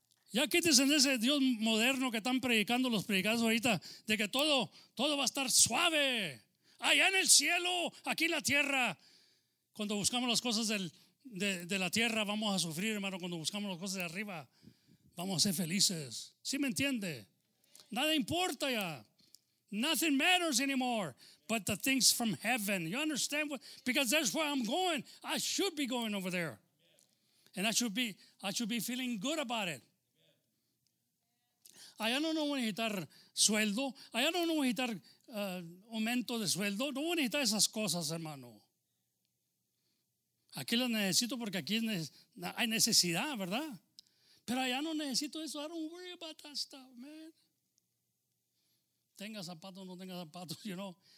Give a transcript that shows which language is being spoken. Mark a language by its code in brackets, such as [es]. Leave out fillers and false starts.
[es] Ya quítese en ese Dios moderno que están predicando los predicadores ahorita, de que todo va a estar suave allá en el cielo, aquí en la tierra. Cuando buscamos las cosas de la tierra, vamos a sufrir, hermano. Cuando buscamos las cosas de arriba, vamos a ser felices. ¿Sí me entiende? Nada importa ya. [en] Nothing matters anymore but the things from heaven. You understand? Because that's where I'm going. I should be going over there. And I should be feeling good about it. [es] Allá no voy a necesitar sueldo. Allá no voy a necesitar aumento de sueldo. No voy a necesitar esas cosas, hermano. Aquí las necesito porque aquí hay necesidad, ¿verdad? Pero allá no necesito eso. [en] I don't worry about that stuff, man. [es] Tenga zapatos, no tenga zapatos, you know.